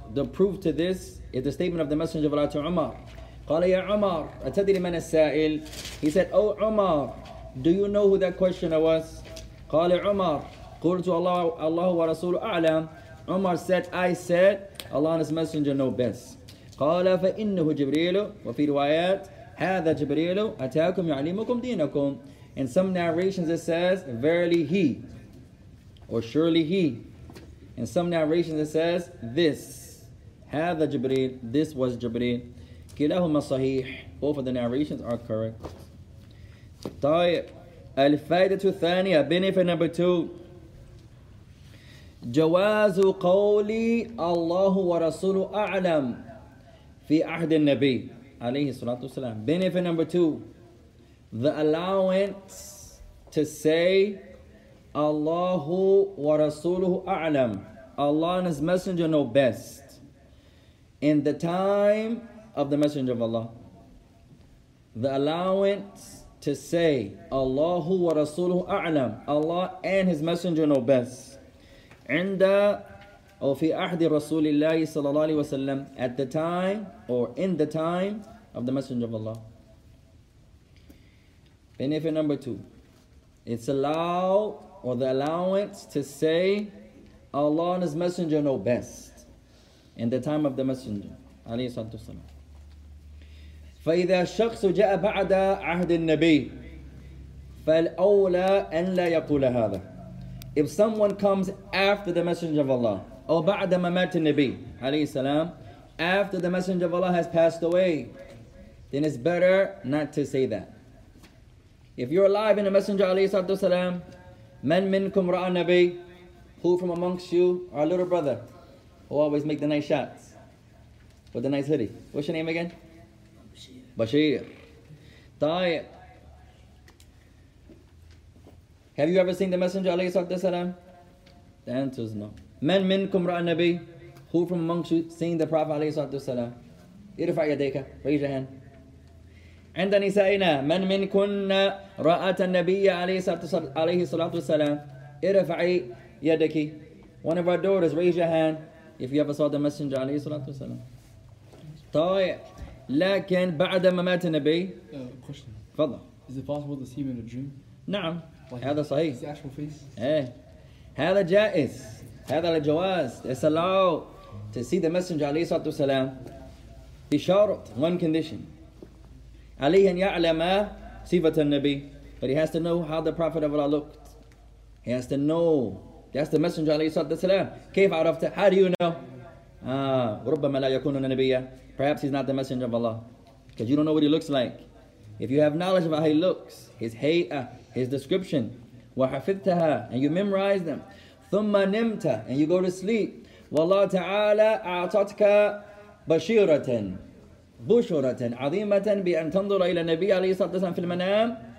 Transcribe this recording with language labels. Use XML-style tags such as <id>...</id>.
<en>The proof to this is the statement of the Messenger of Allah to Umar.</en> <ar>Qala ya Umar, atadri man as-sa'il?</ar> <en>He said, oh Umar, do you know who that questioner was?</en> <ar>Qala Umar, qultu Allah wa rasulu a'lam.</ar> <en>Umar said, I said, Allah and His Messenger know best.</en> <ar>قال فإنه جبريل وفي روايات هذا جبريل أتاكم يعلمكم دينكم.</ar> <en>In some narrations it says verily he or surely he. In some narrations it says this</en> <ar>هذا جبريل,</ar> <en>this was جبريل.</en> <ar>كلاهما صحيح.</ar> <en>Both of the narrations are correct.</en> <ar>طيب الفائدة الثانية,</ar> <en>benefit number two,</en> <ar>جواز قولي الله ورسوله أعلم في عهد النبي عليه الصلاة والسلام.</ar> <en>Benefit number two, the allowance to say</en> <ar>الله ورسوله أعلم,</ar> <en>Allah and His Messenger know best, in the time of the Messenger of Allah. The allowance to say</en> <ar>الله ورسوله أعلم,</ar> <en>Allah and His Messenger know best.</en> <ar>عند أو في أحد رسول الله صلى الله عليه وسلم,</ar> <en>at the time or in the time of the Messenger of Allah. Benefit number two, it's allowed or the allowance to say Allah and His Messenger know best in the time of the Messenger</en> <ar>عليه الصلاة والسلام. فإذا الشخص جاء بعد عهد النبي فالأولى أن لا يقول هذا.</ar> <en>If someone comes after the Messenger of Allah, or</en> <ar>بعد ممات النبي عليه السلام,</ar> <en>after the Messenger of Allah has passed away, then it's better not to say that. If you're alive in the Messenger</en> <ar>عليه الصلاة والسلام, من منكم رأى النبي,</ar> <en>who from amongst you, our little brother, who always make the nice shots with the nice hoodie. What's your name again? Bashir.</en> <ar>طيب.</ar> <en>Have you ever seen the Messenger</en> <ar>عليه الصلاة والسلام?</ar> <en>The answer is no.</en> <ar>من منكم رأى النبي,</ar> <en>who from amongst you seen the Prophet</en> <ar>عليه الصلاة والسلام? ارفع يديك,</ar> <en>raise your hand.</en> <ar>عند نسائنا, من منكن رأت النبي عليه الصلاة والسلام? ارفعي يدك.</ar> <en>One of our daughters, raise your hand. If you ever saw the messenger</en> <ar>عليه الصلاة والسلام. طيب لكن بعد ممات النبي.</ar> <en>Question.</en> <ar>تفضل.</ar> <en>Is it possible to see him in a dream?</en> <ar>نعم. Like, هذا صحيح.</ar> <en>His actual face.</en> <ar>إيه. هذا جائز. هذا الجواز.</ar> <en>It's allowed to see the messenger</en> <ar>عليه الصلاة والسلام. بشرط.</ar> <en>One condition.</en> <ar>عليه أن يعلم صفة النبي.</ar> <en>But he has to know how the Prophet of Allah looked. He has to know. That's the messenger</en> <ar>عليه الصلاة والسلام. كيف عرفت؟</ar> <en>How do you know?</en> <ar>ربما لا يكون النبي.</ar> <en>Perhaps he's not the messenger of Allah. Because you don't know what he looks like. If you have knowledge about how he looks, his hay'ah, his description, وحفظتها, and you memorize them.</en> <ar>ثم نمت,</ar> <en>and you go to sleep.</en> <ar>والله تعالى أعطتك بشيرة بشرة عظيمة بأن تنظر إلى النبي عليه الصلاة والسلام في المنام.</ar>